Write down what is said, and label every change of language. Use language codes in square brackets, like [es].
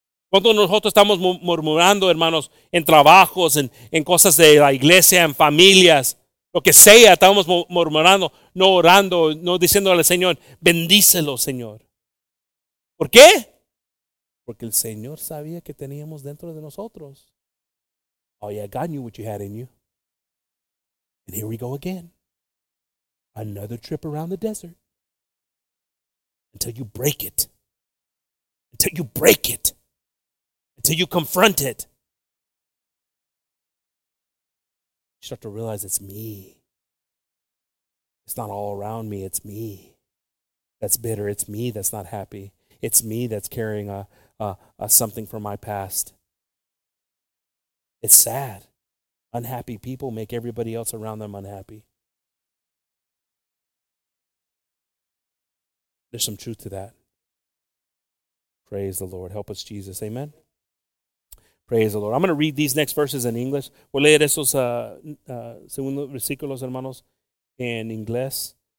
[es] ¿Cuántos nosotros estamos murmurando, hermanos, en trabajos, en cosas de la iglesia, en familias, lo que sea, estamos murmurando, no orando, no diciendo al Señor, bendícelo, Señor? ¿Por qué? Porque el Señor sabía que teníamos dentro de nosotros. [en] Oh yeah, God knew what you had in you. And here we go again. Another trip around the desert. Until you break it. Until you break it. Until you confront it. You start to realize it's me. It's not all around me. It's me that's bitter. It's me that's not happy. It's me that's carrying a something from my past. It's sad. Unhappy people make everybody else around them unhappy. There's some truth to that. Praise the Lord. Help us, Jesus. Amen. Praise the Lord. I'm going to read these next verses in English. [es] Voy a leer esos segundos versículos, hermanos, en inglés.